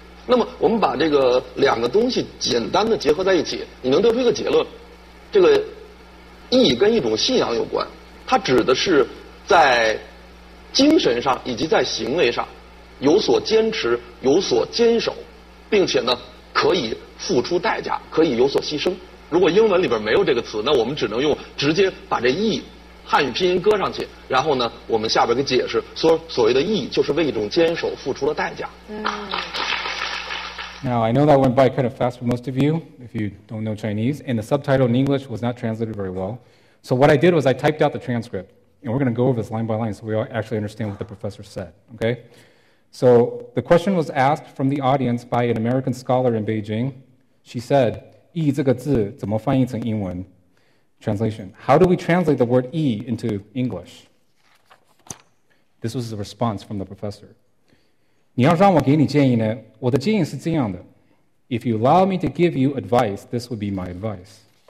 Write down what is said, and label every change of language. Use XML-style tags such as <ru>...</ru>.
<zh>那么我们把这个两个东西简单的结合在一起，你能得出一个结论：这个"义"跟一种信仰有关。它指的是在精神上以及在行为上有所坚持、有所坚守，并且呢可以付出代价、可以有所牺牲。如果英文里边没有这个词，那我们只能用直接把这"义"汉语拼音搁上去，然后呢我们下边个解释，所谓的"义"就是为一种坚守付出了代价。嗯。</zh> <en>Now, I know that went by kind of fast for most of you, if you don't know Chinese, and the subtitle in English was not translated very well. So what I did was I typed out the transcript, and we're going to go over this line by line so we all actually understand what the professor said, okay? So the question was asked from the audience by an American scholar in Beijing. She said,</en> <zh>"义这个字怎么翻译成英文?"</zh> <en>Translation, how do we translate the word "义" into English? This was the response from the professor.</en> <zh>你要让我给你建议呢，我的建议是这样的。</zh> <en>If you allow me to give you advice, this would be my advice.</en>